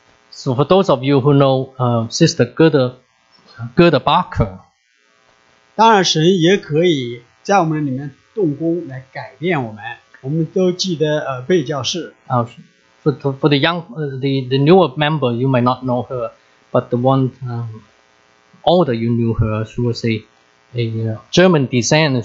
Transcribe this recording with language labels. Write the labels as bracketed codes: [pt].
[en] So for those of you who know, Sister Gerda Barker. [zh] 当然，神也可以在我们里面动工来改变我们。我们都记得贝教士。 [en] For the newer member, you might not know her, but the one older you knew her, she was a German descent.